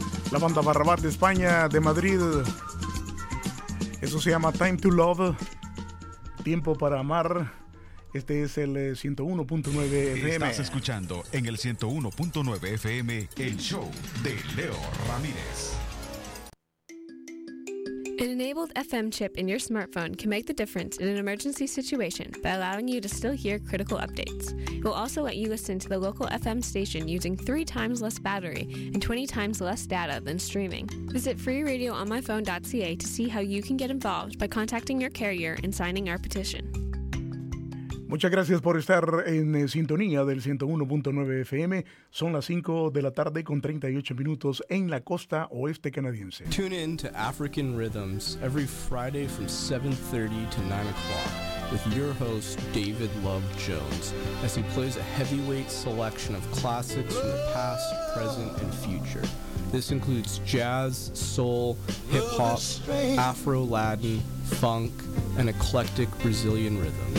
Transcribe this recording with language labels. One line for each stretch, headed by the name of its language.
Spanish: La banda Barrabás de España, de Madrid. Eso se llama Time to Love. Tiempo para amar. Este es el 101.9 FM. Estás escuchando en el 101.9 FM el show de Leo Ramírez.
English: An enabled FM chip in your smartphone can make the difference in an emergency situation by allowing you to still hear critical updates. It will also let you listen to the local FM station using 3 times less battery and 20 times less data than streaming. Visit freeradioonmyphone.ca to see how you can get involved by contacting your carrier and signing our petition.
Spanish: Muchas gracias por estar en sintonía del 101.9 FM. Son las 5 de la tarde con 38 minutos en la costa oeste canadiense.
English: Tune in to African Rhythms every Friday from 7:30 to 9 o'clock with your host David Love Jones as he plays a heavyweight selection of classics from the past, present, and future. This includes jazz, soul, hip-hop, Afro-Latin, funk, and eclectic Brazilian rhythms.